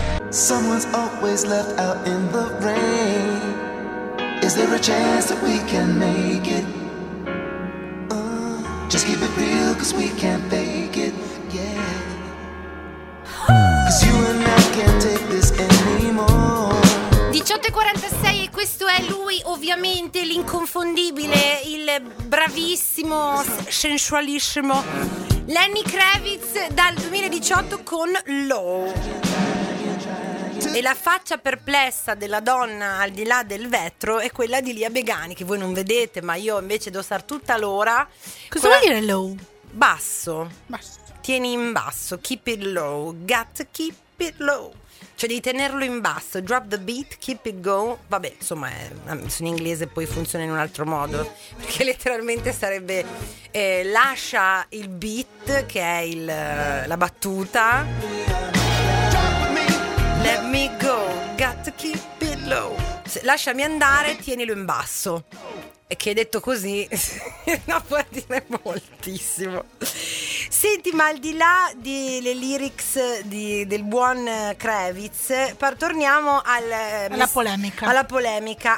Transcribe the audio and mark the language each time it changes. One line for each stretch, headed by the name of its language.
English: Someone's always left out in the rain. Is there a chance that we can make it? Just keep it real, cause we can't fake it, yeah. Cause you and I can't take this anymore.
Italian: 18:46 e questo è lui, ovviamente, l'inconfondibile, il bravissimo, sensualissimo Lenny Kravitz dal 2018 con Low. E la faccia perplessa della donna al di là del vetro è quella di Lia Begani, che voi non vedete, ma io invece devo star tutta l'ora. Cosa vuol dire low? Basso. Tieni in basso,
English: keep it low, got to keep it low.
Italian: Cioè devi tenerlo in basso,
English: drop the beat, keep it go.
Italian: Vabbè, insomma, sono in inglese, poi funziona in un altro modo, perché letteralmente sarebbe lascia il beat, che è la battuta.
English: Let me go, got to keep it low.
Italian: Lasciami andare, tienilo in basso. E che detto così, no, può dire moltissimo. Senti, ma al di là delle lyrics del buon Kravitz, torniamo alla polemica.